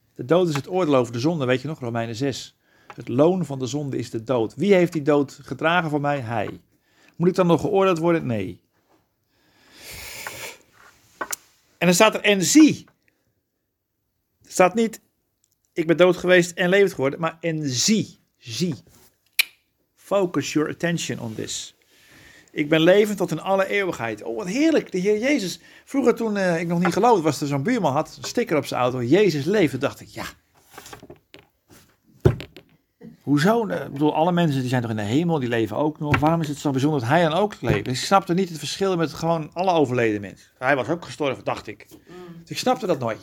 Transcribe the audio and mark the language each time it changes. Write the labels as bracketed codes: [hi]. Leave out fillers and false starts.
[nl] De dood is het oordeel over de zonde, weet je nog, Romeinen 6. Het loon van de zonde is de dood. Wie heeft die dood gedragen voor mij? Hij. Moet ik dan nog geoordeeld worden? Nee. En dan staat er, en zie. Er staat niet, ik ben dood geweest en levend geworden, maar en zie. Zie. [en] Focus your attention on this. [nl] Ik ben levend tot in alle eeuwigheid. Oh, wat heerlijk, de Heer Jezus. Vroeger toen ik nog niet geloofd was, er zo'n buurman had een sticker op zijn auto. Jezus leeft, dacht ik, ja. Hoezo? Ik bedoel, alle mensen die zijn toch in de hemel, die leven ook nog. Waarom is het zo bijzonder dat hij dan ook leeft? Ik snapte niet het verschil met gewoon alle overleden mensen. Hij was ook gestorven, dacht ik. Dus ik snapte dat nooit.